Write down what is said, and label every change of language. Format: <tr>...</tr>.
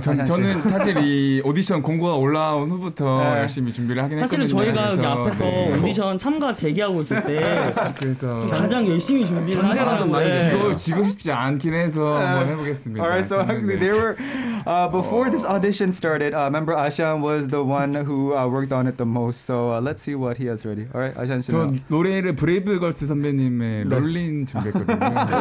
<ko>저는 사실 이 오디션 공고가 올라온 후부터 열심히 준비를 하긴 했거든요. 사실은 저희가 앞에서 오디션 참가 대기하고 있을 때 그래서 가장 열심히 준비를 하다가 좀 많이 지고 싶지 않긴 해서 한번 해보겠습니다.</ko> <en>Alright, so actually they were before this audition started. Member Ashan was the one who worked on it the most. So let's see what he has ready. All right, Ashan.</en> <ko>저 노래를 브레이브 걸스 선배님의 롤린 준비했거든요.</ko>